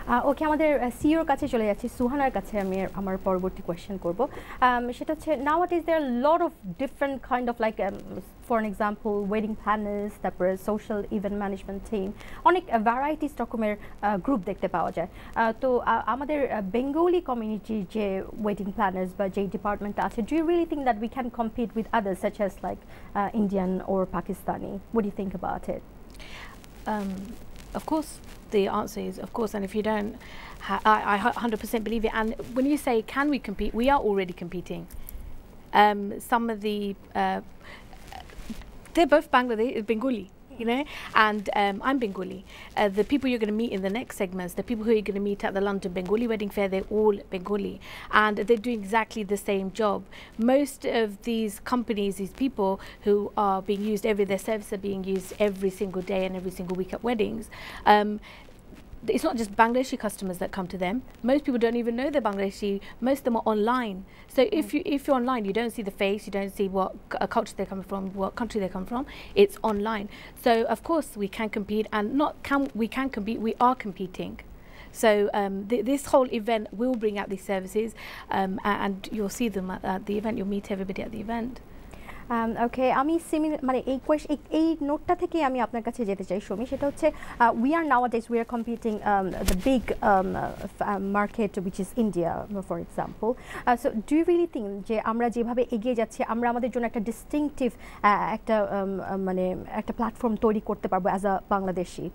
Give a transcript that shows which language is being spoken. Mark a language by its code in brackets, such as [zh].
[bn] ওকে, আমাদের সিওর কাছে চলে যাচ্ছি, সুহানার কাছে আমি আমার পরবর্তী কোয়েশ্চেন করব, সেটা হচ্ছে [en] now what is there lot of different kind of like for an example wedding planners, [bn] তারপরে সোশ্যাল ইভেন্ট ম্যানেজমেন্ট টিম, অনেক ভ্যারাইটিস রকমের গ্রুপ দেখতে পাওয়া যায়। তো আমাদের বেঙ্গলি কমিউনিটির যে ওয়েডিং প্ল্যানার্স বা যে ডিপার্টমেন্টটা আছে, [en] Do you really think that we can compete with others such as like Indian or Pakistani? What you think about it? Of course, the answer is of course, and if you don't, I 100% believe it. And when you say, can we compete, we are already competing. Some of the, they're both Bangladeshi, Bengali, you know, and I'm Bengali. The people you're going to meet in the next segments, the people who you're going to meet at the London Bengali Wedding Fair, they're all Bengali, and they're doing exactly the same job. Most of these companies, these people who are being used every, their services are being used every single day and every single week at weddings. It's not just Bangladeshi customers that come to them. Most people don't even know they're Bangladeshi. Most of them are online. So if you're online, you don't see the face, you don't see what culture they come from, what country they come from. It's online. So of course we can compete, and we are competing. So this whole event will bring out these services, and you'll see them at the event. You'll meet everybody at the event. [bn] ওকে, আমি similar মানে এই question এই নোটটা থেকেই আমি আপনার কাছে যেতে চাই সমী, সেটা হচ্ছে [en] we are nowadays we are competing the big market which is India for example, so do you really think [bn] যে আমরা যেভাবে এগিয়ে যাচ্ছি আমরা আমাদের জন্য একটা ডিস্টিংটিভ একটা মানে একটা প্ল্যাটফর্ম তৈরি করতে পারবো [en] As a Bangladeshi?